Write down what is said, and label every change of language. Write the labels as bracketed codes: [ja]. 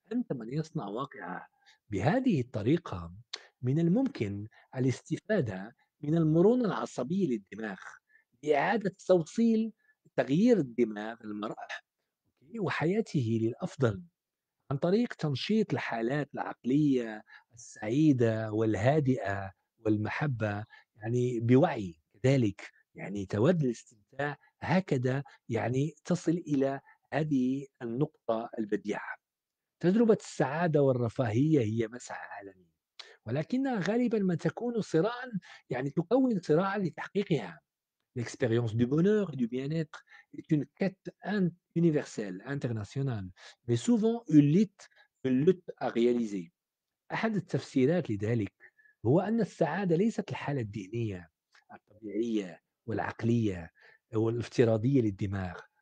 [ar] أنت من يصنع واقعه. بهذه الطريقة من الممكن الاستفادة من المرونة العصبية للدماغ لإعادة توصيل تغيير الدماغ للمرأة وحياته للأفضل عن طريق تنشيط الحالات العقلية السعيدة والهادئة والمحبة، يعني بوعي كذلك، يعني تود الاستمتاع هكذا، يعني تصل إلى هذه النقطة البديعة. تجربة السعادة والرفاهية هي مسعى عالمي، ولكنها غالبا ما تكون صراعا، يعني تكون صراعا لتحقيقها. [fr] L'expérience du bonheur et du bien-être est une quête universelle, internationale, mais souvent une lutte à réaliser. [ar] أحد التفسيرات لذلك هو أن السعادة ليست الحالة الذهنية الطبيعية والعقلية والافتراضية للدماغ.